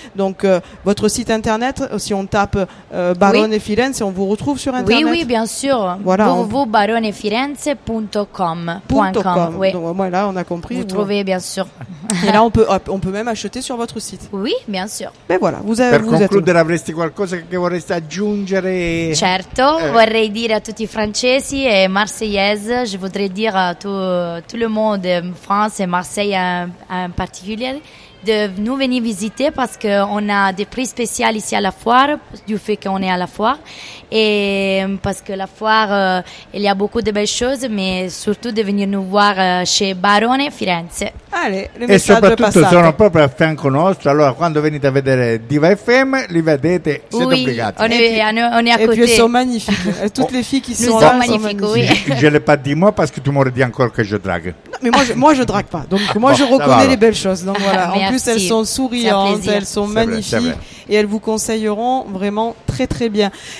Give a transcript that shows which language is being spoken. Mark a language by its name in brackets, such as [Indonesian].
[French] Donc, votre site Internet, si on tape Barone Firenze, on vous retrouve sur Internet. Oui, bien sûr. Voilà. www.baronefirenze.com. Donc, ouais, là, on a compris. Vous trouvez, bien sûr. Et là, on peut même acheter sur votre site. Oui, bien sûr. Mais voilà, vous avez. [Italian] Per concludere, avresti qualcosa che vorresti aggiungere? Certo, vorrei dire a tutti i francesi e [French] marseillaise, je voudrais dire à tout le monde, France et Marseille en particulier, de nous venir visiter parce qu'on a des prix spéciaux ici à la foire, du fait qu'on est à la foire. Et parce que la foire, il y a beaucoup de belles choses, mais surtout de venir nous voir chez Barone Firenze. Allez, [Italian] et soprattutto sono proprio a fianco nostro, allora quando venite a vedere Diva FM, li vedete, siete obbligati. [French] On est à côté. Et puis elles sont magnifiques. Toutes les filles qui nous sont là magnifiques, sont magnifiques. Oui. Je ne l'ai pas dit moi parce que tu m'aurais dit encore que je drague. Mais moi je drague pas, donc moi bon, je reconnais les belles choses. Donc voilà. En plus, merci. Elles sont souriantes, elles sont c'est magnifiques vrai. Et elles vous conseilleront vraiment très très bien.